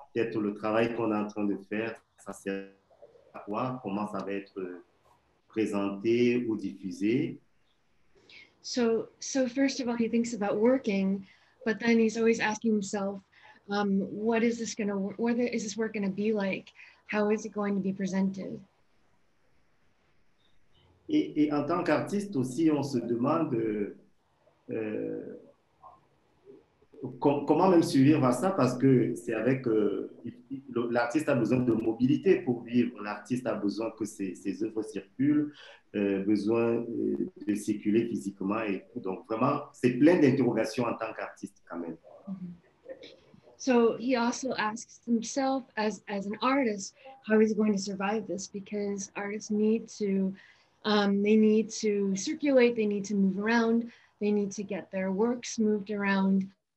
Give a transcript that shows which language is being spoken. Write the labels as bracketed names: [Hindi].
[French] Peut-être le travail qu'on est en train de faire, ça sert à quoi? Comment ça va être présenté ou diffusé? [English] So first of all, he thinks about working, but then he's always asking himself, what is this work going to be like? How is it going to be presented? [French] Et en tant qu'artiste aussi, on se demande comment même survivre à ça, parce que c'est avec l'artiste a besoin de mobilité pour vivre. L'artiste a besoin que ses œuvres circulent, besoin de circuler physiquement. Et donc vraiment, c'est plein d'interrogations en tant qu'artiste quand même. [English] So he also asks himself as an artist, how is he going to survive this? Because artists need to circulate, they need to move around, they need to get their works moved around.